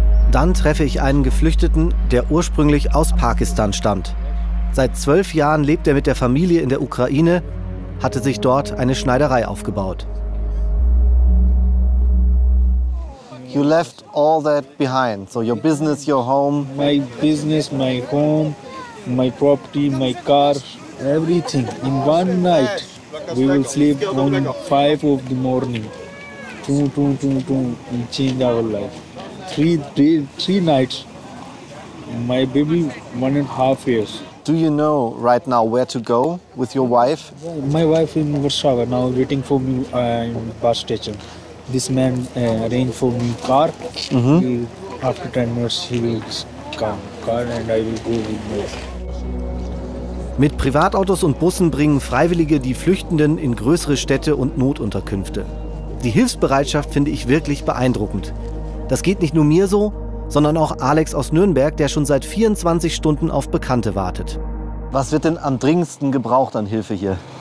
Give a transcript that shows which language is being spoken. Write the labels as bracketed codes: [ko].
[de] Dann treffe ich einen Geflüchteten, der ursprünglich aus Pakistan stammt. Seit 12 Jahren lebt er mit der Familie in der Ukraine, hatte sich dort eine Schneiderei aufgebaut. [en] You left all that behind, so your business, your home. My business, my home, my property, my car, everything. In one night, we will sleep on 5 of the morning. We change our life. Three nights, my baby 1.5 years. Do you know right now where to go with your wife? My wife in Warsaw now waiting for me in bus station. This man arranged for me car. Mm-hmm. After 10 minutes he will come car and I will go with him. [de] Mit Privatautos und Bussen bringen Freiwillige die Flüchtenden in größere Städte und Notunterkünfte. Die Hilfsbereitschaft finde ich wirklich beeindruckend. Das geht nicht nur mir so, sondern auch Alex aus Nürnberg, der schon seit 24 Stunden auf Bekannte wartet. Was wird denn am dringendsten gebraucht an Hilfe hier?